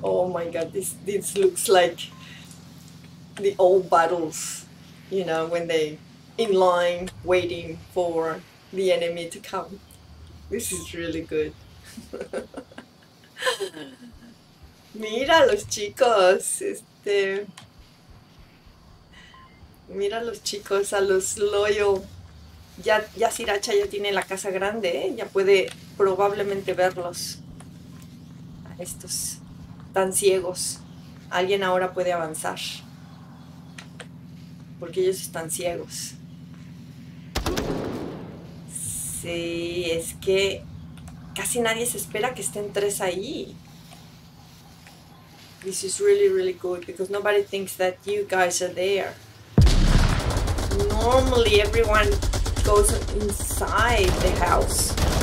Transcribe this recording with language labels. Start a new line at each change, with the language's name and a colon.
English: Oh my god, this looks like the old battles, you know, when they in line waiting for the enemy to come. This is really good.
Spanish: Mira los chicos, Mira a los chicos, a los loyo. Ya Siracha ya tiene la casa grande, ¿eh? Ya puede probablemente verlos. A estos tan ciegos. Alguien ahora puede avanzar. Porque ellos están ciegos. Sí, es que casi nadie se espera que estén tres ahí.
English: This is really, really good because nobody thinks that you guys are there. Normally, everyone goes inside the house.